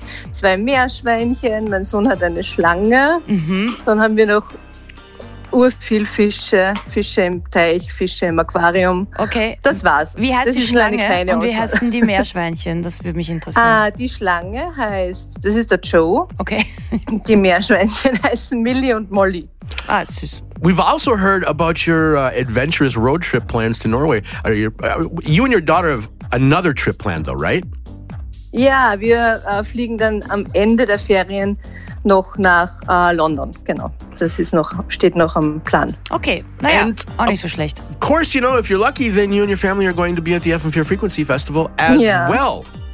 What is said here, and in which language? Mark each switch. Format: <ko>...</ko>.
<de>2 Meerschweinchen, mein Sohn hat eine Schlange. Dann haben wir noch urviel Fische, Fische im Teich, Fische im Aquarium. Okay. Das war's. Wie heißt das die Schlange und wie heißen die Meerschweinchen? Das würde mich interessieren. Ah, die Schlange heißt, das ist der Joe. Okay. Die Meerschweinchen heißen Millie und Molly. Ah, süß.</de> <en>We've also heard about your adventurous road trip plans to Norway. Are you and your daughter have another trip planned though, right?</en> <de>Ja, wir fliegen dann am Ende der Ferien noch nach London, genau. Das ist noch steht noch am Plan. Okay, naja, and auch nicht so schlecht.</de> <en>Of course, you know, if you're lucky, then you and your family are going to be at the FM4 Frequency Festival as well.</en>